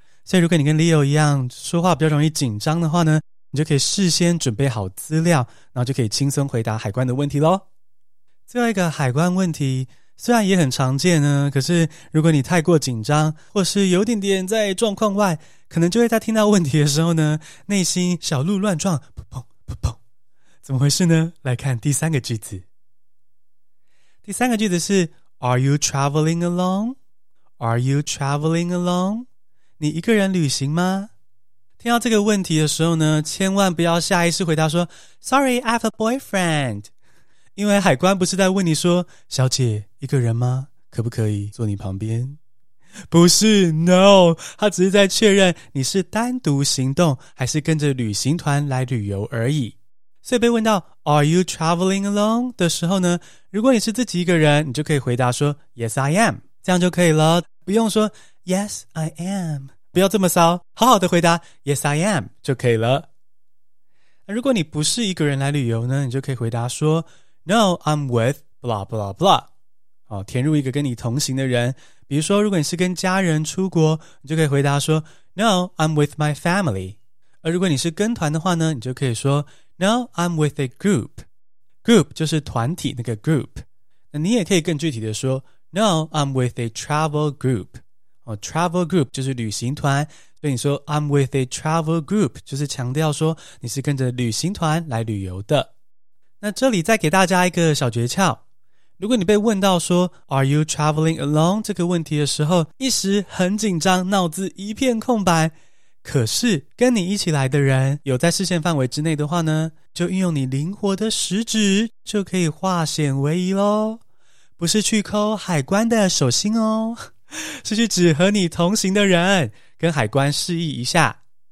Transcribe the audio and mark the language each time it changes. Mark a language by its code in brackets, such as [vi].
[zh] 所以如果你跟 Leo 一样说话比较容易紧张的话呢，你就可以事先准备好资料，然后就可以轻松回答海关的问题咯。最后一个海关问题虽然也很常见呢，可是如果你太过紧张或是有点点在状况外，可能就会在听到问题的时候呢内心小鹿乱撞，噗噗噗噗，怎么回事呢？来看第三个句子。第三个句子是 [en] Are you traveling alone? Are you traveling alone? [zh] 你一个人旅行吗？听到这个问题的时候呢，千万不要下意识回答说 [en] Sorry, I have a boyfriend。 [zh] 因为海关不是在问你说，小姐一个人吗？可不可以坐你旁边？不是 ，no， 他只是在确认你是单独行动还是跟着旅行团来旅游而已。所以被问到 [en] Are you traveling alone [zh] 的时候呢，如果你是自己一个人，你就可以回答说 [en] Yes, I am， [zh] 这样就可以了，不用说 Yes, I am， 不要这么骚，好好的回答 Yes, I am 就可以了。如果你不是一个人来旅游呢，你就可以回答说 [en] No, I'm with blah blah [zh] blah。哦，填入一个跟你同行的人，比如说如果你是跟家人出国，你就可以回答说 [en] No, I'm with my family。 [zh] 而如果你是跟团的话呢，你就可以说 [en] No, I'm with a group。 [zh] Group 就是团体那个 group。那你也可以更具体的说 [en] No, I'm with a travel group。 [zh] 哦， travel group 就是旅行团，所以你说 [en] I'm with a travel group [zh] 就是强调说你是跟着旅行团来旅游的。那这里再给大家一个小诀窍，如果你被问到说 [en] Are you traveling alone [zh] 这个问题的时候，一时很紧张，脑子一片空白，可是跟你一起来的人有在视线范围之内的话呢，就运用你灵活的食指就可以化险为夷咯，不是去抠海关的手心哦，是去指和你同行的人，跟海关示意一下。